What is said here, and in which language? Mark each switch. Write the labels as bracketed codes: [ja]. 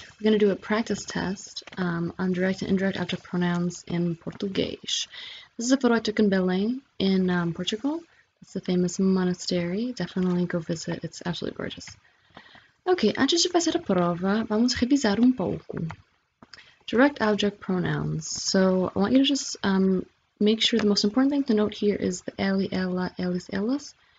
[en] We're going to do a practice test on direct and indirect adjective pronouns in Portuguese. This is a photo I took in Belém, in Portugal. It's the famous monastery. Definitely go visit. It's absolutely gorgeous. [pt] Ok, antes de fazer a prova, vamos revisar um pouco. [en] Direct adjective pronouns. So, I want you to just make sure the most important thing to note here is the ele, ela, eles, elas.